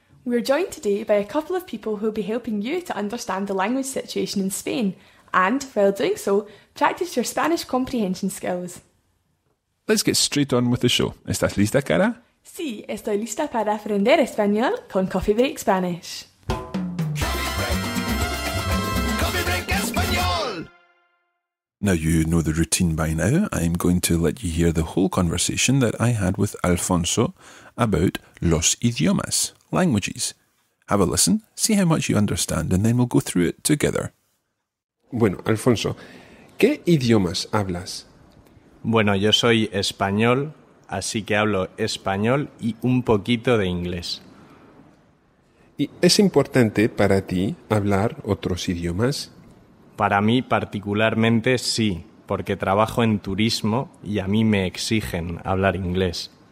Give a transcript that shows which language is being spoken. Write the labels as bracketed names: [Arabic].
[English] We're joined today by a couple of people who'll be helping you to understand the language situation in Spain and, while doing so, practice your Spanish comprehension skills. Let's get straight on with the show. [Spanish] ¿Estás lista, Cara? Sí, estoy lista para aprender español con Coffee Break Spanish. [English] Now you know the routine by now. I'm going to let you hear the whole conversation that I had with Alfonso about [Spanish] los idiomas, [English] languages. Have a listen, see how much you understand, and then we'll go through it together. [Spanish] Bueno, Alfonso, ¿qué idiomas hablas? Bueno, yo soy español, así que hablo español y un poquito de inglés. ¿Y es importante para ti hablar otros idiomas? Para mí particularmente sí, porque trabajo en turismo y a mí me exigen hablar inglés.